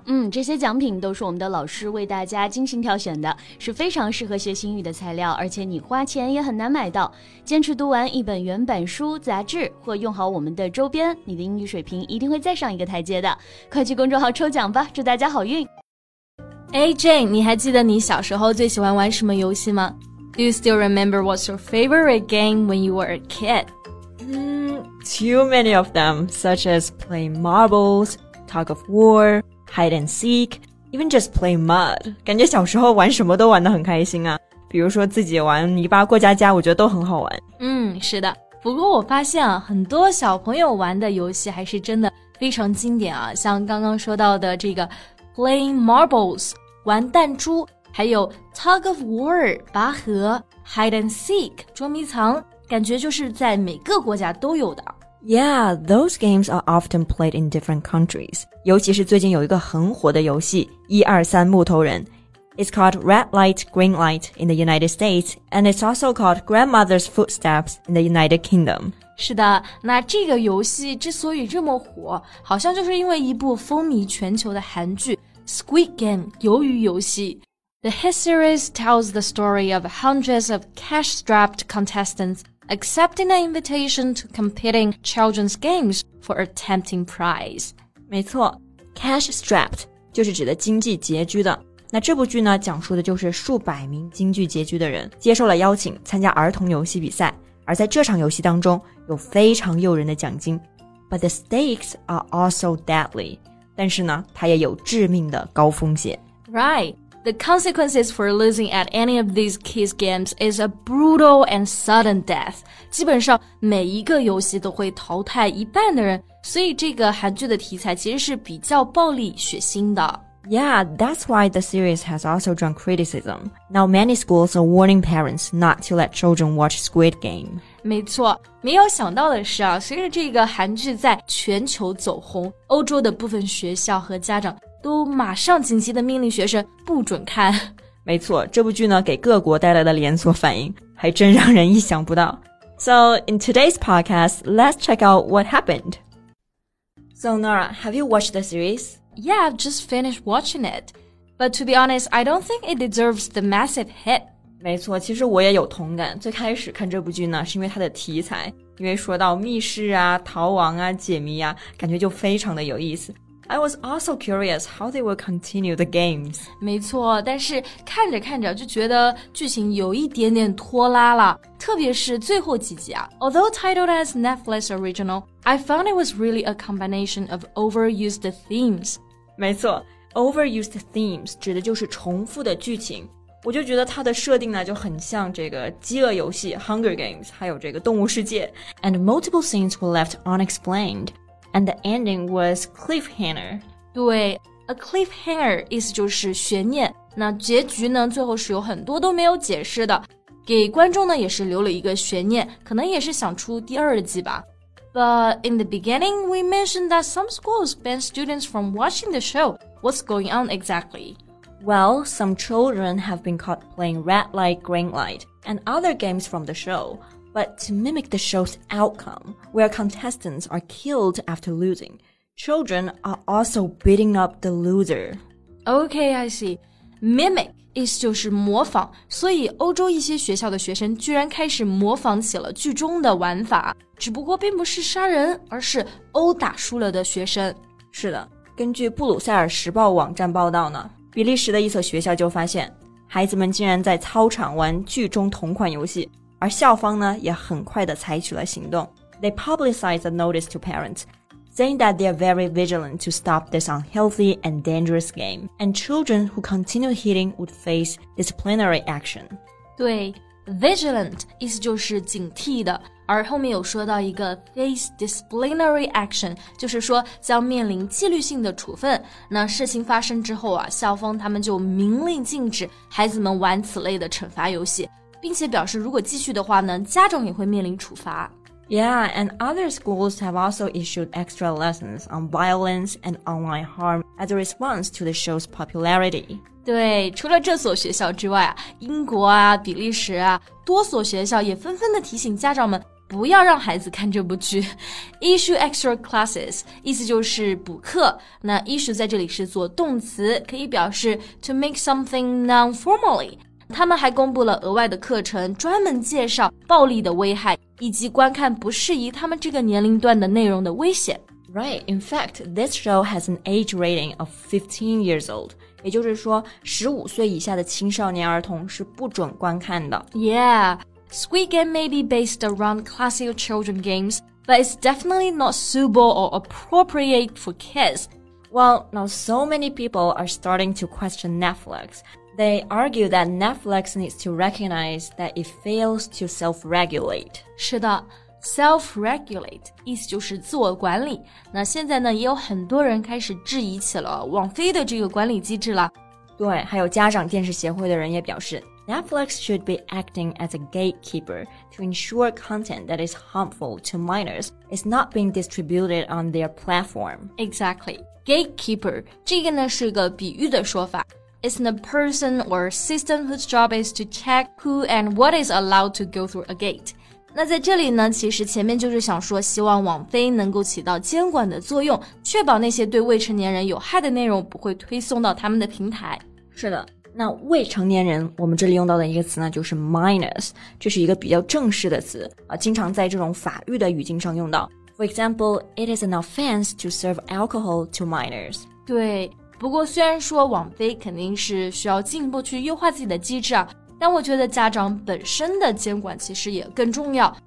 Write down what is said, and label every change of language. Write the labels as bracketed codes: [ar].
[zh] 嗯，这些奖品都是我们的老师为大家精心挑选的，是非常适合学习英语的材料，而且你花钱也很难买到。坚持读完一本原版书、杂志或用好我们的周边，你的英语水平一定会再上一个台阶的。快去公众号抽奖吧，祝大家好运。 AJ， 你还记得你小时候最喜欢玩什么游戏吗？ [en] Do you still remember what's your favorite game when you were a kid? Too many of them, such as playing marbles, tug of war, hide and seek, even just play mud. [zh] 感觉小时候玩什么都玩得很开心啊，比如说自己玩泥巴过家家，我觉得都很好玩。嗯，是的。不过我发现啊，很多小朋友玩的游戏还是真的非常经典啊，像刚刚说到的这个 playing marbles, 玩弹珠，还有 tug of war, 拔河， hide and seek, 捉迷藏。感觉就是在每个国家都有的。 [en] Yeah, those games are often played in different countries. [zh] 尤其是最近有一个很火的游戏，一二三木头人。 [en] It's called Red Light, Green Light in the United States, and it's also called Grandmother's Footsteps in the United Kingdom. [zh] 是的，那这个游戏之所以这么火，好像就是因为一部风靡全球的韩剧 Squid Game, 鱿鱼游戏。 [en] The hit series tells the story of hundreds of cash-strapped contestants accepting an invitation to compete in children's games for a tempting prize. [zh] 没错 ,cash-strapped 就是指的经济拮据的。那这部剧呢，讲述的就是数百名经济拮据的人接受了邀请参加儿童游戏比赛，而在这场游戏当中有非常诱人的奖金。 [en] But the stakes are also deadly. [zh] 但是呢，它也有致命的高风险。 [en] Right. The consequences for losing at any of these kids' games is a brutal and sudden death. [zh] 基本上每一个游戏都会淘汰一半的人，所以这个韩剧的题材其实是比较暴力血腥的。 [en] Yeah, that's why the series has also drawn criticism. Now many schools are warning parents not to let children watch Squid Game. [zh] 没错，没有想到的是啊，随着这个韩剧在全球走红，欧洲的部分学校和家长都马上紧急的命令学生不准看。没错，这部剧呢给各国带来的连锁反应还真让人意想不到。 [en] So, in today's podcast, let's check out what happened. So, Nora, have you watched the series? Yeah, I've just finished watching it. But to be honest, I don't think it deserves the massive hit. [zh] 没错，其实我也有同感。最开始看这部剧呢，是因为它的题材，因为说到密室啊、逃亡啊、解谜啊，感觉就非常的有意思。 [en] I was also curious how they will continue the games. [zh] 没错，但是看着看着就觉得剧情有一点点拖拉了，特别是最后几集啊。 [en] Although titled as Netflix original, I found it was really a combination of overused themes. [zh] 没错 ,overused themes 指的就是重复的剧情。我就觉得它的设定呢就很像这个饥饿游戏 Hunger Games, 还有这个动物世界。 [en] And multiple scenes were left unexplained. And the ending was cliffhanger. [zh] 对 ,a cliffhanger 意思就是悬念。那结局呢最后是有很多都没有解释的。给观众呢也是留了一个悬念，可能也是想出第二季吧。 [en] But in the beginning, we mentioned that some schools ban students from watching the show. What's going on exactly? Well, some children have been caught playing red light, green light, and other games from the show. But to mimic the show's outcome, where contestants are killed after losing, children are also beating up the loser. Okay, I see. [zh] Mimic 意思就是模仿，所以欧洲一些学校的学生居然开始模仿起了剧中的玩法，只不过并不是杀人，而是殴打输了的学生。是的，根据布鲁塞尔时报网站报道呢，比利时的一所学校就发现，孩子们竟然在操场玩剧中同款游戏。而校方呢也很快地采取了行动。 [en] They publicized a notice to parents, saying that they are very vigilant to stop this unhealthy and dangerous game, and children who continue hitting would face disciplinary action. [zh] 对 ,vigilant 意思就是警惕的，而后面有说到一个 [en] face disciplinary action, [zh] 就是说将面临纪律性的处分。那事情发生之后啊，校方他们就明令禁止孩子们玩此类的惩罚游戏。并且表示如果继续的话呢，家长也会面临处罚。 [en] Yeah, and other schools have also issued extra lessons on violence and online harm as a response to the show's popularity. [zh] 对，除了这所学校之外，英国啊，比利时啊，多所学校也纷纷地提醒家长们不要让孩子看这部剧。 [en] Issue extra classes, [zh] 意思就是补课。那 issue 在这里是做动词，可以表示 [en] to make something non-formally。 [zh] 他们还公布了额外的课程，专门介绍暴力的危害，以及观看不适宜他们这个年龄段的内容的危险。 [en] Right, in fact, this show has an age rating of 15 years old. [zh] 也就是说15岁以下的青少年儿童是不准观看的。 [en] Yeah, Squid Game may be based around classic children games, but it's definitely not suitable or appropriate for kids. Well, now so many people are starting to question Netflix. They argue that Netflix needs to recognize that it fails to self-regulate. [zh] 是的 self-regulate, 意思就是自我管理。那现在呢也有很多人开始质疑起了网飞的这个管理机制了。对，还有家长电视协会的人也表示 [en] Netflix should be acting as a gatekeeper to ensure content that is harmful to minors is not being distributed on their platform. Exactly. [zh] Gatekeeper, 这个呢是个比喻的说法。 [en] It's the person or system whose job is to check who and what is allowed to go through a gate. [zh] 那在这里呢，其实前面就是想说，希望网飞能够起到监管的作用，确保那些对未成年人有害的内容不会推送到他们的平台。是的，那未成年人，我们这里用到的一个词呢，就是 minors， 这是一个比较正式的词，经常在这种法律的语境上用到。 [en] For example, it is an offense to serve alcohol to minors. [zh] 对。不过虽然说网飞肯定是需要进一步去优化自己的机制啊，但我觉得家长本身的监管其实也更重要。